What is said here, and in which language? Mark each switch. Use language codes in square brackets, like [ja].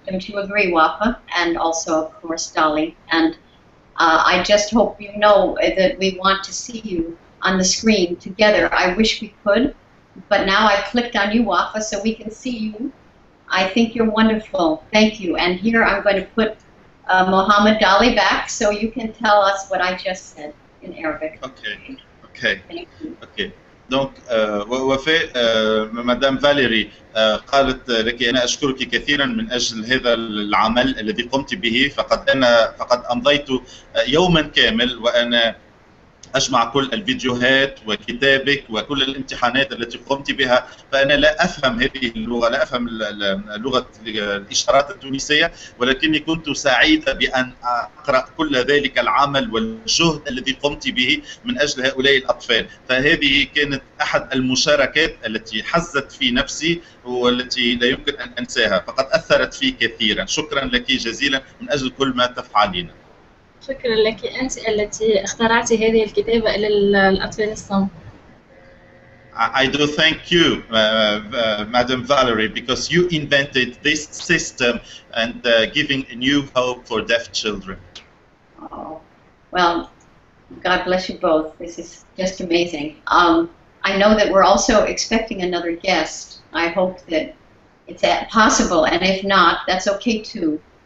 [en] Don't you agree, Wafa? And also, of course, Dolly. And I just hope you know that we want to see you on the screen together. I wish we could. But now I've clicked on you, Wafa, so we can see you. I think you're wonderful. Thank you. And here I'm going to put Mohamed Dolly back so you can tell us what I just said in Arabic. Okay. Okay. Thank you. Okay. [ar] دونك وفاء مدام فاليري قالت لك انا اشكرك كثيرا من اجل هذا العمل الذي قمت به فقد امضيت يوما كامل وانا أجمع كل الفيديوهات وكتابك وكل الامتحانات التي قمت بها فأنا لا أفهم هذه اللغة لا أفهم لغة الإشارات التونسية ولكني كنت سعيدة بأن أقرأ كل ذلك العمل والجهد الذي قمت به من أجل هؤلاء الأطفال فهذه كانت أحد المشاركات التي حزت في نفسي والتي لا يمكن أن أنساها فقد أثرت في كثيرا شكرا لك جزيلا من أجل كل ما تفعلين شكرا لك أنت التي اخترعت هذه الكتابة للأطفال الصم. [en] I do thank you, Madam Valerie, because you invented this system and giving a new hope for deaf children. Oh, well, God bless you both. This is just amazing. I know that we're also expecting another guest. I hope that it's possible, and if not, that's okay too.